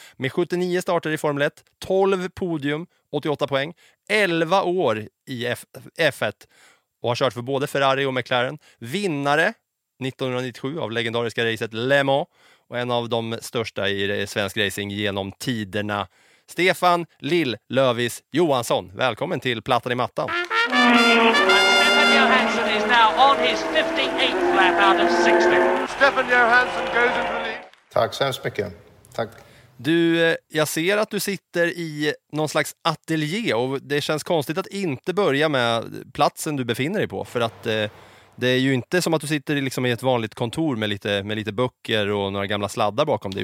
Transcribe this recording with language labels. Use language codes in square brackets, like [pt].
[sv] Med 79 starter i Formel 1, 12 podium, 88 poäng, 11 år i F1. Och har kört för både Ferrari och McLaren. Vinnare 1997 av legendariska racet Le Mans. Och en av de största i svensk racing genom tiderna. Stefan Lill Lövis Johansson. Välkommen till Plattan i mattan. [en] Stefan Johansson is now on his 58th lap out of 60. Stefan Johansson goes into the... [sv] Tack så hemskt mycket. Tack. Du, jag ser att du sitter i någon slags ateljé och det känns konstigt att inte börja med platsen du befinner dig på. För att det är ju inte som att du sitter liksom i ett vanligt kontor med lite böcker och några gamla sladdar bakom dig.